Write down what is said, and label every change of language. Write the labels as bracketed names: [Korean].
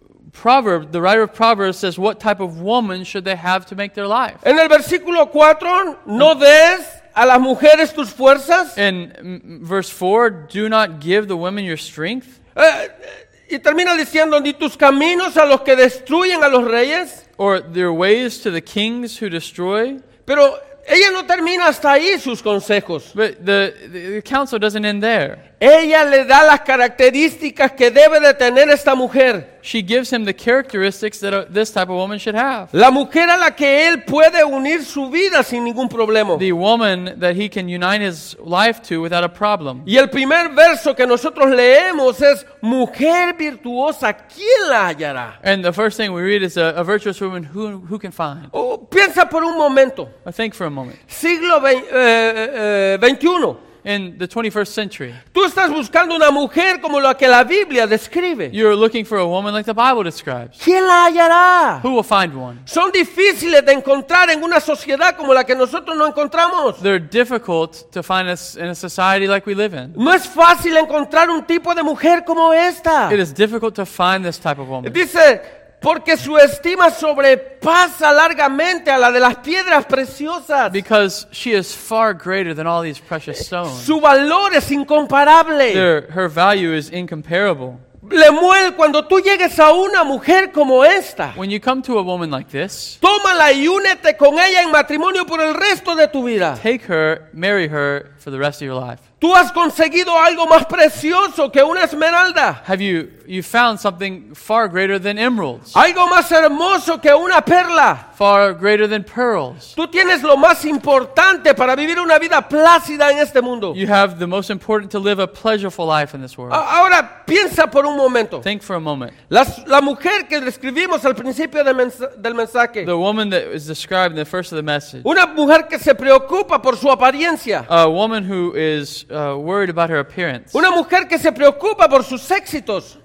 [English] The writer of Proverbs says, what type of woman should they have to make their life? [Spanish] En el versículo 4, no des a las mujeres tus fuerzas. [English] In verse 4, do not give the women your strength. [Spanish] Y termina diciendo, ni tus caminos a los que destruyen a los reyes. [English] Or their ways to the kings who destroy. [Spanish] Pero ella no termina hasta ahí sus consejos. [English] But the counsel doesn't end there. [Spanish] Ella le da las características que debe de tener esta mujer. [English] She gives him the characteristics that this type of woman should have. [Spanish] La mujer a la que él puede unir su vida sin ningún problema. [English] The woman that he can unite his life to without a problem. [Spanish] Y el primer verso que nosotros leemos es, mujer virtuosa, ¿quién la hallará? [English] And the first thing we read is a virtuous woman, who can find? [Spanish] Oh, piensa por un momento. [English] I think for a moment. [Spanish] Siglo 21. [English] In the 21st century. [Spanish] Tú estás buscando una mujer como la que la Biblia describe. [English] You're looking for a woman like the Bible describes. [Spanish] ¿Quién la hallará? [English] Who will find one? [Spanish] Son difíciles de encontrar en una sociedad como la que nosotros nos encontramos. [English] They're difficult to find us in a society like we live in. [Spanish] No es fácil encontrar un tipo de mujer como esta. [English] It is difficult to find this type of woman. [Spanish] Dice, porque su estima sobrepasa largamente a la de las piedras preciosas. [English] Because she is far greater than all these precious stones. [Spanish] Su valor es incomparable. [English] Her value is incomparable. [Spanish] Lemuel, cuando tú llegues a una mujer como esta, [English] when you come to a woman like this, [Spanish] tómala y únete con ella en matrimonio por el resto de tu vida. [English] Take her, marry her for the rest of your life. [Spanish] Tú has conseguido algo más precioso que una esmeralda. [English] Have you found something far greater than emeralds? [Spanish] Algo más hermoso que una perla. [English] Far greater than pearls. [Spanish] Tú tienes lo más importante para vivir una vida plácida en este mundo. [English] You have the most important to live a pleasureful life in this world. [Spanish] Ahora piensa por un momento. [English] Think for a moment. [Spanish] La mujer que describimos al principio del mensaje. [English] The woman that is described in the first of the message. [Spanish] Una mujer que se preocupa por su apariencia. [English] A woman who is worried about her appearance. [Spanish] Una mujer que se preocupa por sus éxitos.